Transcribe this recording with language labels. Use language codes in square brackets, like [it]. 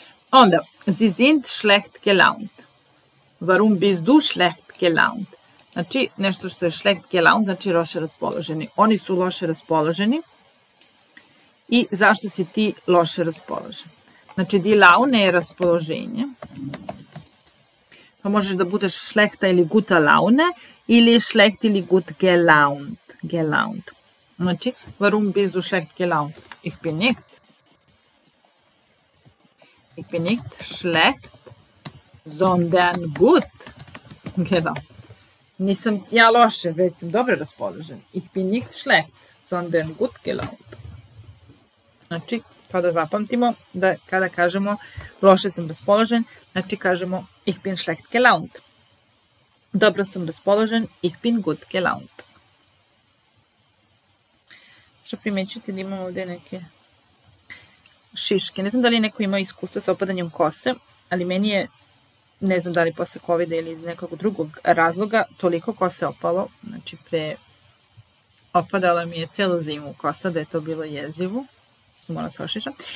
[de] Onda, sie sind schlecht gelaunt. Warum bist du schlecht gelaunt? [sr] Znači, nešto što je schlecht gelaunt, znači loše raspoloženi. Oni su loše raspoloženi. I zašto si ti loše raspoložen? Znači, die Laune je raspoloženje. Pa možeš da budeš schlechta ili guta laune, ili schlecht ili gut gelaunt. Gelaunt. [de] Znači, warum bist du schlecht gelaunt? Ich bin nicht. Ich bin nicht schlecht, sondern gut. Genau. [sr] Nisam ja loše, već sam dobro raspoložen. [de] Ich bin nicht schlecht, sondern gut gelaunt. [sr] Znači, kada zapamtimo, da kada kažemo loše sam raspoložen, znači kažemo [de] ich bin schlecht gelaunt. [sr] Dobro sam raspoložen, [de] ich bin gut gelaunt. [sr] Što primećujete da imamo ovde neke šiške. Ne znam da li je neko imao iskustva sa opadanjem kose, ali meni je, ne znam da li posle COVID-a ili iz nekog drugog razloga, toliko kose opalo, znači pre opadala mi je celu zimu kosa, da je to bilo jezivo, sam morala se ošišam.